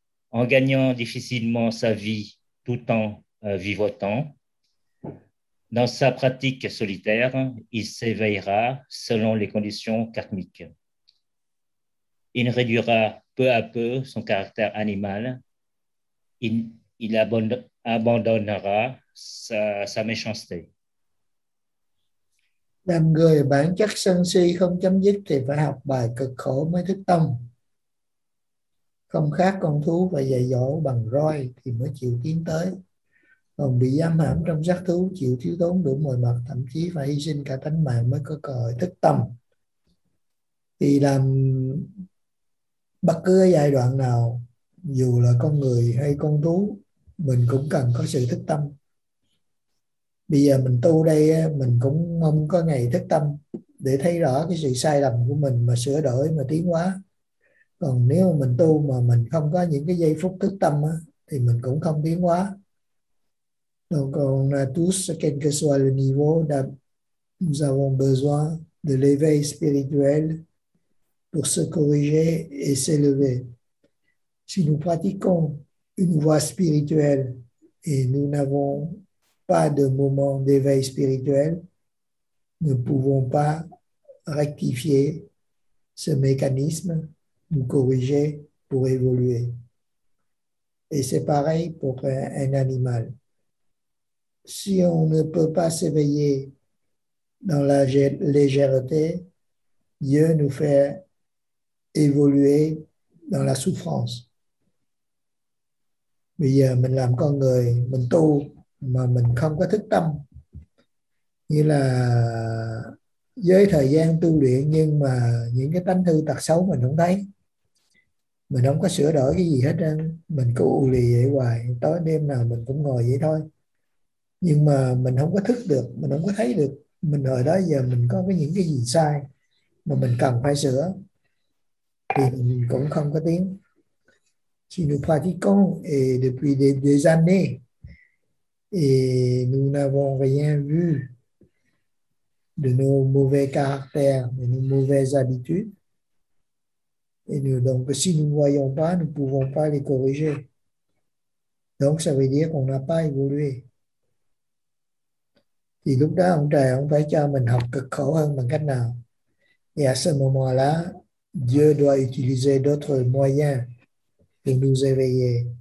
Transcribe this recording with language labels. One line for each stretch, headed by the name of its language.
French: En gagnant difficilement sa vie tout en vivotant, dans sa pratique solitaire, il s'éveillera selon les conditions karmiques. Il réduira peu à peu son caractère animal. Il abandonnera sa méchanceté.
Vietnamese: Làm người bản chất sân si không chấm dứt thì phải học bài cực khổ mới thức tâm. Không khác con thú và dạy dỗ bằng roi thì mới chịu tiến tới. Còn bị giam hãm trong xác thú, chịu thiếu thốn đủ mọi mặt, thậm chí phải hy sinh cả tánh mạng mới có cơ hội thức tâm. Thì làm bất cứ giai đoạn nào, dù là con người hay con thú, mình cũng cần có sự thức tâm. Bây giờ mình tu đây, mình cũng mong có ngày thức tâm để thấy rõ cái sự sai lầm của mình mà sửa đổi, mà tiến hóa. Còn nếu mà mình tu mà mình không có những cái giây phút thức tâm thì mình cũng không tiến hóa.
French: Donc, tous, quel que soit le niveau, nous avons besoin de l'éveil spirituel pour se corriger et s'élever. Si nous pratiquons une voie spirituelle et nous n'avons pas de moment d'éveil spirituel, ne pouvons pas rectifier ce mécanisme, nous corriger pour évoluer. Et c'est pareil pour un animal. Si on ne peut pas s'éveiller dans la légèreté, Dieu nous fait évoluer dans la souffrance.
Vietnamese: Bây giờ mình làm con người, mình tu mà mình không có thức tâm, nghĩa là với thời gian tu luyện nhưng mà những cái tánh hư tật xấu mình không thấy, mình không có sửa đổi cái gì hết, mình cứ u lì vậy hoài, tối đêm nào mình cũng ngồi vậy thôi, nhưng mà mình không có thức được, mình không có thấy được mình hồi đó giờ mình có cái những cái gì sai mà mình cần phải sửa, thì mình cũng không có tiếng.
French: Si nous pratiquons et depuis des années et nous n'avons rien vu de nos mauvais caractères, de nos mauvaises habitudes. Et nous, donc, si nous ne voyons pas, nous ne pouvons pas les corriger. Donc, ça veut dire qu'on n'a pas évolué.
Vietnamese: thì lúc đó ông trời ông phải cho mình học cực khổ hơn bằng cách nào?
French: Et à ce moment-là, Dieu doit utiliser d'autres moyens pour nous éveiller.